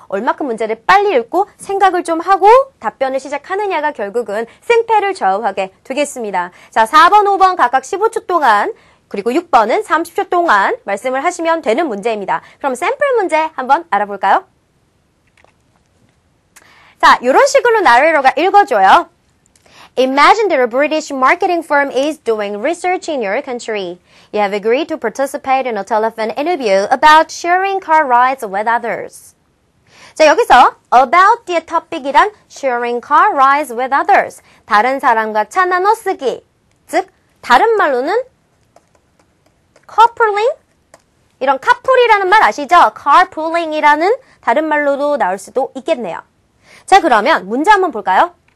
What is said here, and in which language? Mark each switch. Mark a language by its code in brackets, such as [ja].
[ko] 얼마큼 문제를 빨리 읽고 생각을 좀 하고 답변을 시작하느냐가 결국은 승패를 좌우하게 되겠습니다. 자, 4번, 5번 각각 15초 동안 그리고 6번은 30초 동안 말씀을 하시면 되는 문제입니다. 그럼 샘플 문제 한번 알아볼까요? 자, 이런 식으로 나레이터가 읽어줘요. [en] Imagine that a British marketing firm is doing research in your country. You have agreed to participate in a telephone interview about sharing car rides with others. [ko] 자, 여기서 [en] about the topic이란 sharing car rides with others. [ko] 다른 사람과 차 나눠쓰기. 즉, 다른 말로는 coupling? 이런 카풀이라는 말 아시죠? carpooling이라는 다른 말로도 나올 수도 있겠네요. 자, 그러면 문제 한번 볼까요?